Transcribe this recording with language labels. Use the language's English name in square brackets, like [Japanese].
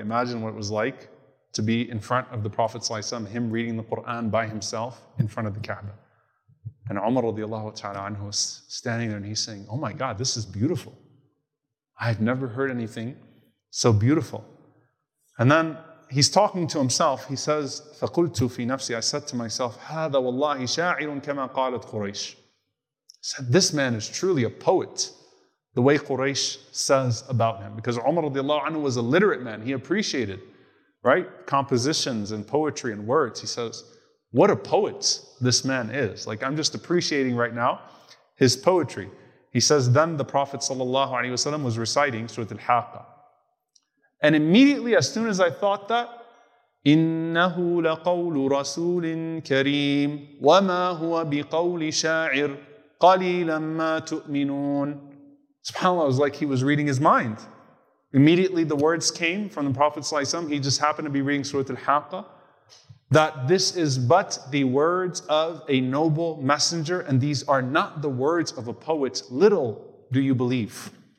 [English] Imagine what it was like to be in front of the Prophet ﷺ, him reading the Quran by himself in front of the Kaaba. And Umar radiallahu ta'ala anhu is standing there and he's saying, oh my God, this is beautiful. I've never heard anything so beautiful. And then he's talking to himself. He says, [Arabic] فَقُلْتُ فِي نَفْسِي, [English] I said to myself, [Arabic] هَذَا وَاللَّهِ شَاعِرٌ كَمَا قَالَتْ قُرَيْشِ. [English] I said, this man is truly a poet, the way Quraysh says about him. Because Umar radiallahu anhu was a literate man. He appreciated, right, compositions and poetry and words. He says, what a poet this man is. Like, I'm just appreciating right now his poetry. He says, then the Prophet ﷺ was reciting Surah Al-Haqqa. And immediately, as soon as I thought that, [Arabic] إِنَّهُ لَقَوْلُ رَسُولٍ كَرِيمٍ وَمَا هُوَ بِقَوْلِ شَاعِرٍ قَلِيلًا مَا تُؤْمِنُونَ. [English] SubhanAllah, it was like he was reading his mind. Immediately the words came from the Prophet ﷺ. He just happened to be reading Surah Al-Haqqa. That this is but the words of a noble messenger, and these are not the words of a poet. Little do you believe.